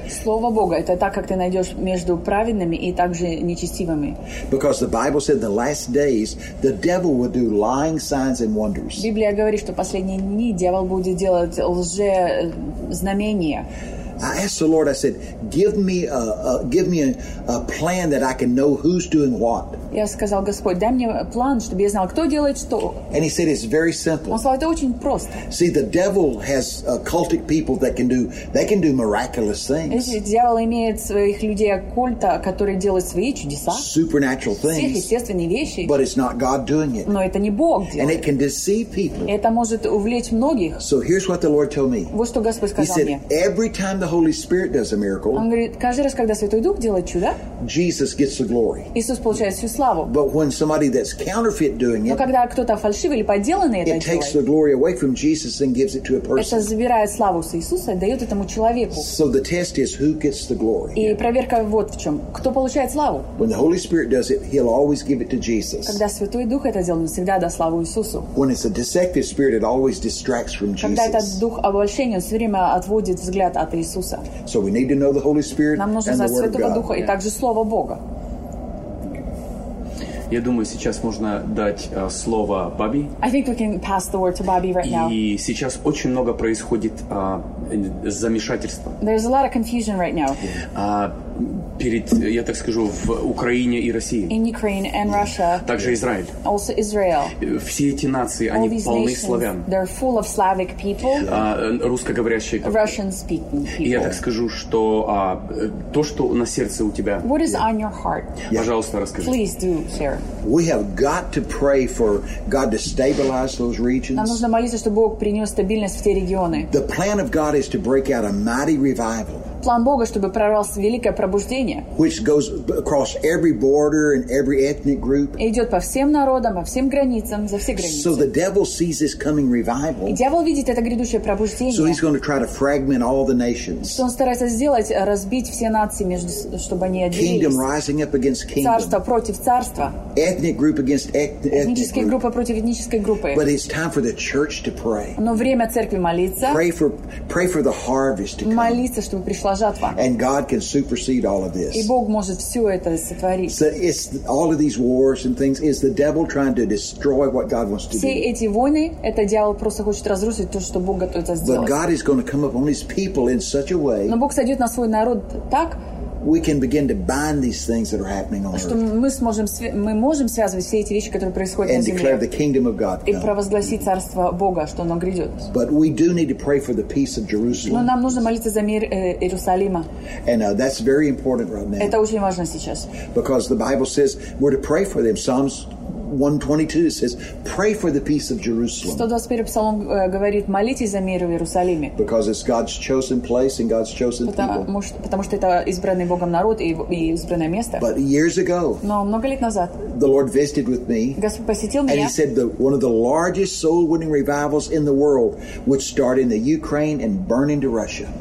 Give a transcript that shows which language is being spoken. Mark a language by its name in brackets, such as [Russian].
[Russian] Слово Бога это так, как ты найдешь между праведными и также нечестивыми. [English] Because the Bible said in the last days the devil will do lying signs and wonders. [Russian] Библия говорит, что последние дни дьявол будет делать лжезнамения. [English] I asked the Lord. I said, "Give me a plan that I can know who's doing what." [Russian] Я сказал Господь, дай мне план, чтобы я знал, кто делает что. [English] And He said, "It's very simple." [Russian] Он сказал, это очень просто. [English] See, the devil has occultic people that can do miraculous things. [Russian] Дьявол имеет своих людей оккульта, которые делают свои чудеса. [English] Supernatural things. [Russian] Сверхъестественные вещи. [English] But it's not God doing it. [Russian] Но это не Бог делает. [English] And it can deceive people. [Russian] Это может увлечь многих. [English] So here's what the Lord told me. [Russian] Вот что Господь сказал мне. [English] He said, "Every time the Holy Spirit does a miracle." [Russian] Он говорит, каждый раз, когда Святой Дух делает чудо, [English] Jesus gets the glory. [Russian] Иисус получает всю славу. [English] But when somebody that's counterfeit doing it, [Russian] но когда кто-то фальшивый или подделанный это делает, [English] it takes the glory away from Jesus and gives it to a person. [Russian] Это забирает славу с Иисуса и дает этому человеку. [English] So the test is who gets the glory. [Russian] И проверка вот в чем: кто получает славу? [English] When the Holy Spirit does it, He'll always give it to Jesus. [Russian] Когда Святой Дух это делает, он всегда даст славу Иисусу. [English] When it's a deceptive spirit, it always distracts from Jesus. [Russian] Когда этот дух обольщения, он все время отводит взгляд от Иисуса. [English] So we need to know the Holy Spirit and the Word of God. [Russian] И также слово Бога. Я думаю, сейчас можно дать слово Бабе. [English] I think we can pass the word to Bobby right now. [Russian] И сейчас очень много происходит замешательства. [English] There's a lot of confusion right now. [Russian] Перед, я так скажу, в Украине и России. [English] In Ukraine and Russia. [Russian] Также Израиль. [English] Also Israel. [Russian] Все эти нации, они полны славян. [English] They're full of Slavic people. [Russian] Русскоговорящие. [English] Russian speaking people. [Russian] И я так скажу, что то, что на сердце у тебя. [English] What is on your heart? [Russian] Пожалуйста, расскажи. [English] Please do share. We have got to pray for God to stabilize those regions. [Russian] Нам нужно молиться, чтобы Бог принес стабильность в те регионы. [English] The plan of God is to break out a mighty revival. [Russian] План Бога, чтобы прорвалось великое пробуждение. [English] Which goes across every border and every ethnic group. [Russian] Идет по всем народам, по всем границам, за все границы. [English] So the devil sees this coming revival. [Russian] И дьявол видит это грядущее пробуждение. [English] So he's going to try to fragment all the nations. [Russian] Что он старается сделать, разбить все нации, между, чтобы они отделились. [English] Kingdom rising up against kingdom. [Russian] Царство против царства. [English] Ethnic group against [Russian] этническая группа против этнической группы. [English] But it's time for the church to pray. [Russian] Но время церкви молиться. [English] Pray for the harvest to come. [Russian] Молиться, чтобы пришла жатва. [English] And God can supersede all of this. [Russian] И Бог может все это сотворить. [English] So it's all of these wars and things is the devil trying to destroy what God wants to do. [Russian] Все эти войны, это дьявол просто хочет разрушить то, что Бог готовится сделать. [English] But God is going to come upon His people in such a way. [Russian] Но Бог сойдет на свой народ так. [English] We can begin to bind these things that are happening on earth. [Russian] Что мы можем связывать все эти вещи, которые происходят на земле. [English] And declare the kingdom of God. [Russian] И провозгласить царство Бога, что оно грядет. [English] But we do need to pray for the peace of Jerusalem. [Russian] Но нам нужно молиться за мир Иерусалима. [English] And that's very important right now. [Russian] Это очень важно сейчас. [English] Because the Bible says we're to pray for them. Psalms 122 says, "Pray for the peace of Jerusalem." [Russian] 121 Псалом говорит, молитесь за мир в Иерусалиме. [English] Because it's God's chosen place and God's chosen people. [Russian] Потому что это избранный Богом народ и избранное место. [English] But years ago, [Russian] но много лет назад, [English] the Lord visited with me. [Russian] Господь посетил меня. [English] And He said that one of the largest soul-winning revivals in the world would start in the Ukraine and burn into Russia.